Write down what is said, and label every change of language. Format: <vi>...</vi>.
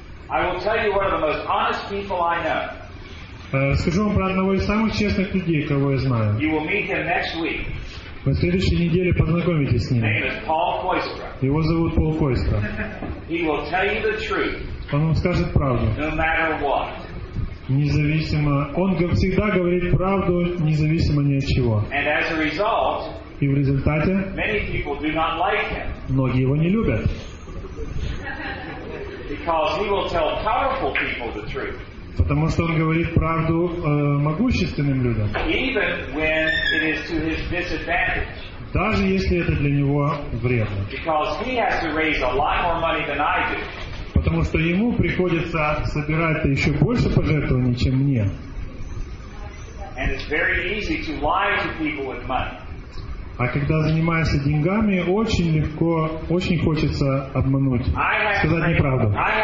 <en>I will tell you one of the most honest people I know.</en> <ru>Скажу вам про одного из самых честных людей, кого я знаю.</ru> <en>You will meet him next week.</en> <ru>На следующей неделе познакомитесь с ним.</ru> <en>His name is Paul Koistra.</en> <ru>Его зовут Пол Койстра.</ru> <en>He will tell you the truth.</en> <ru>Он вам скажет правду.</ru> <en>No matter what.</en> <ru>Независимо. Он всегда говорит правду, независимо ни от чего.</ru> <en>And as a result,</en> <ru>и в результате,</ru> <en>many people do not like him.</en> <ru>Многие его не любят.</ru> <en>Because he will tell powerful people the truth.</en> <ru>Потому что он говорит правду могущественным людям.</ru> <en>Even when it is to his disadvantage.</en> <ru>Даже если это для него вредно.</ru> <en>Because he has to raise a lot more money than I do.</en> <ru>Потому что ему приходится собирать еще больше пожертвований, чем мне.</ru> <en>And it's very easy to lie to people with money.</en> <ru>А когда занимаешься деньгами, очень легко, очень хочется обмануть, сказать неправду.</ru>